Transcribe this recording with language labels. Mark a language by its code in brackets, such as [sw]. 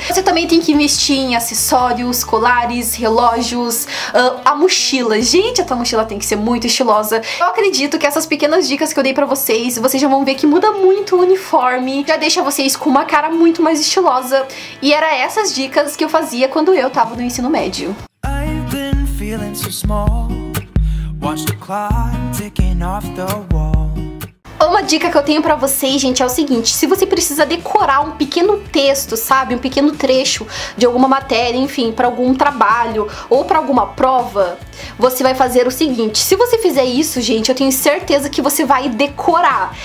[pt] Você também tem que investir em acessórios, colares, relógios, a mochila. Gente, a tua mochila ela tem que ser muito estilosa. Eu acredito que essas pequenas dicas que eu dei pra vocês, vocês já vão ver que muda muito o uniforme, já deixa vocês com uma cara muito mais estilosa. E era essas dicas que eu fazia quando eu tava no ensino médio. [en] I've been feeling so small, watch the clock ticking off the wall. [pt] Uma dica que eu tenho pra vocês, gente, é o seguinte: se você precisa decorar um pequeno texto, sabe, um pequeno trecho de alguma matéria, enfim, pra algum trabalho ou pra alguma prova, você vai fazer o seguinte: se você fizer isso, gente, eu tenho certeza que você vai decorar.